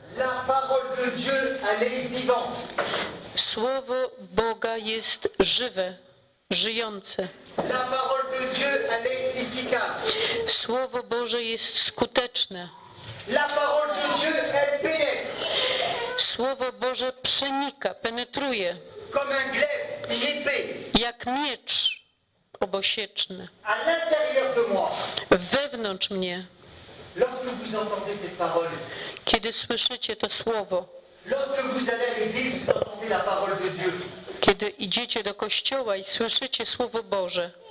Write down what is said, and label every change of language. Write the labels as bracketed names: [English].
[French] La parole de Dieu, elle est vivante. [Polish] Słowo Boga jest żywe, żyjące. [French] La parole de Dieu, elle est efficace. [Polish] Słowo Boże jest skuteczne. [French] La parole de Dieu, elle pénètre. [Polish] Słowo Boże przenika, penetruje. [French] Comme un glaive, l'épée. [Polish] Jak miecz obosieczny. [French] À l'intérieur de moi. [Polish] Wewnątrz mnie. [French] Lorsque vous entendez cette parole. [Polish] Kiedy słyszycie to słowo. [French] Lorsque vous allez à l'église, vous entendez la parole de Dieu. [Polish] Kiedy idziecie do kościoła i słyszycie Słowo Boże.